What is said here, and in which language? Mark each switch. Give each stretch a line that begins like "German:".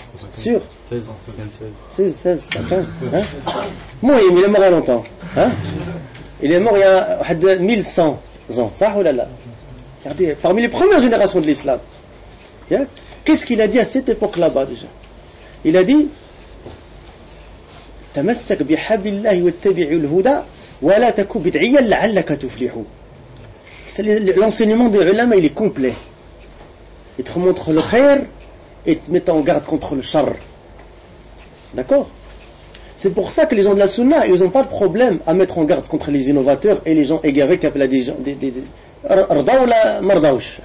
French: Sûr 16. 16, 15. Hein? Bon, il est mort il y a longtemps. Hein? Il est mort il y a 1100 ans. Ça, oh là là. Regardez, parmi les premières générations de l'islam.
English: Yeah?
French: Qu'est-ce qu'il a dit à cette époque là-bas déjà? Il a dit
Arabic: تمسك بحبل الله واتبعي الهدى ولا تكن بدعيا لعلك تفلح.
French: L'enseignement des ulama, il est complet. Il te montre le khair et te met en garde contre le char. D'accord? C'est pour ça que les gens de la sunna, ils n'ont pas de problème à mettre en garde contre les innovateurs et les gens égarés qui appellent des gens ardaou la mardaouch.